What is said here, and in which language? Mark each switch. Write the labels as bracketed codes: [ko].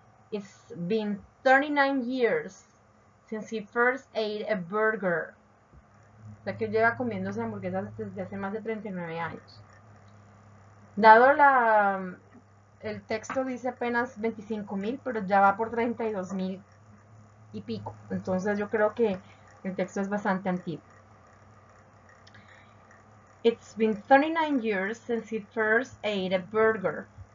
[en] It's been 39 years since he first ate a burger. [es] O sea que lleva comiéndose hamburguesas desde hace más de 39 años. Dado el texto dice apenas 25,000, pero ya va por 32,000 y pico. Entonces yo creo que el texto es bastante antiguo. [en] It's been 39 years since he first ate a burger.